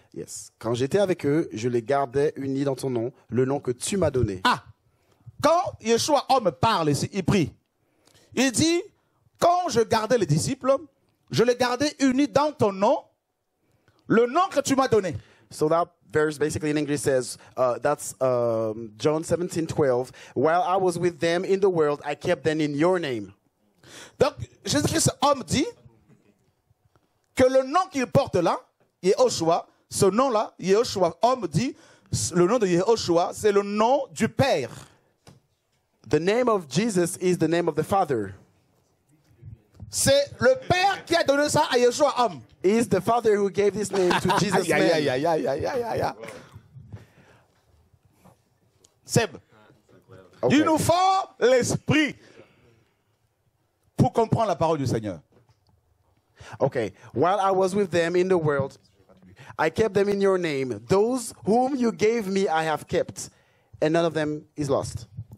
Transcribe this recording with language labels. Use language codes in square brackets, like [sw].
[en] Yes. [fr] Quand j'étais avec eux, je les gardais unis dans ton nom, le nom que tu m'as donné. Ah. Quand Yeshua homme parle ici, il prie. Il dit, quand je gardais les disciples, je les gardais unis dans ton nom, le nom que tu m'as donné. [en] So that verse basically in English says, that's John 17, 12. While I was with them in the world, I kept them in your name. [fr] Donc, Jésus-Christ homme dit que le nom qu'il porte là, Yeshua, ce nom-là, Yeshua homme dit, le nom de Yeshua, c'est le nom du Père. [en] The name of Jesus is the name of the Father. [fr] C'est le Père qui a donné ça à Yeshua homme. [en] Is the Father who gave this name to Jesus man. [fr] Seb, okay. Il nous faut l'esprit pour comprendre la parole du Seigneur. [en] Okay, while I was with them in the world, I kept them in your name. Those whom you gave me, I have kept, and none of them is lost.